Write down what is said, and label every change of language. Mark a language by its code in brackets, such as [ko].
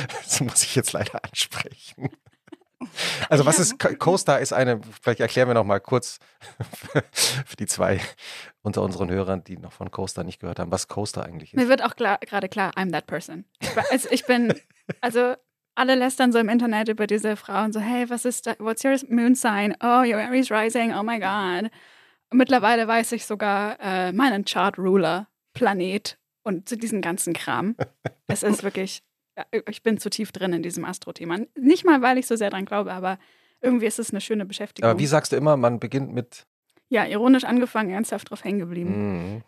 [de] Das muss ich jetzt leider ansprechen. Also was ist, CoStar ist eine, vielleicht erklären wir nochmal kurz für die zwei unter unseren Hörern, die noch von CoStar nicht gehört haben, was CoStar eigentlich ist. Mir wird auch gerade klar, [en] I'm that person. [de] Also alle lästern so im Internet über diese Frau und so, hey, was ist da, [en] what's your moon sign? Oh, your Aries rising, oh my God. [de] Mittlerweile weiß ich sogar meinen Chart-Ruler, Planet und zu diesem ganzen Kram. Es ist wirklich, ich bin zu tief drin in diesem Astro-Thema. Nicht mal, weil ich so sehr dran glaube, aber irgendwie ist es eine schöne Beschäftigung. Aber wie sagst du immer, man beginnt mit? Ja, ironisch angefangen, ernsthaft drauf hängen geblieben.